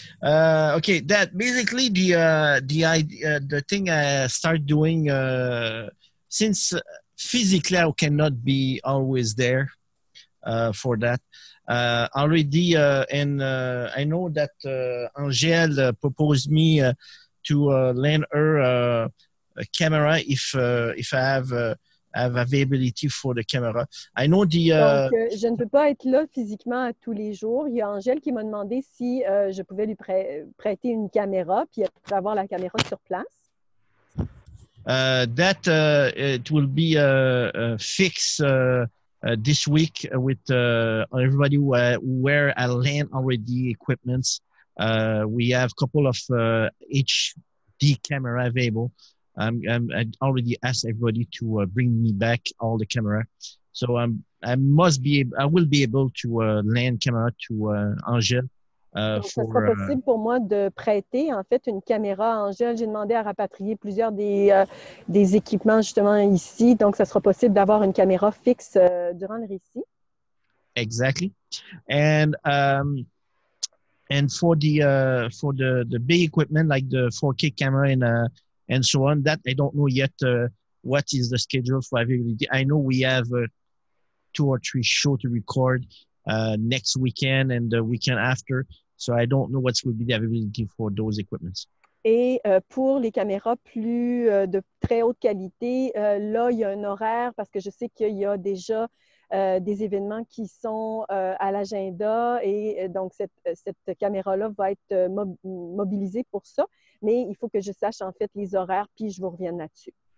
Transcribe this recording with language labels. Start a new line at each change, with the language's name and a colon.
English: Okay, that basically the idea, the thing I start doing, since physically I cannot be always there for that, already, and I know that Angèle proposed me to lend her a camera if I have availability for the camera. I know the...
French: Donc, je ne peux pas être là physiquement tous les jours. Il y a Angèle qui m'a demandé si je pouvais lui prêter une caméra, puis elle pouvait avoir la caméra sur place.
English: That it will be fixed this week with everybody where I land already equipments. We have a couple of HD camera available. I already asked everybody to bring me back all the camera. So I will be able to land camera to Angèle.
French: Ça sera possible pour moi de prêter en fait une caméra à Angèle. J'ai demandé à rapatrier plusieurs des équipements justement ici, donc ça sera possible d'avoir une caméra fixe durant le récit.
English: Exactly. And and for the big equipment like the 4K camera and so on, that I don't know yet what is the schedule for availability. I know we have two or three shows to record next weekend and the weekend after. So I don't know what would be the availability for those equipments.
French: Et pour les caméras plus de très haute qualité, là, il y a un horaire parce que je sais qu'il y a déjà des événements qui sont à l'agenda et donc cette caméra-là va être mobilisée pour ça. Mais il faut que je sache en fait les horaires puis je vous reviens là-dessus.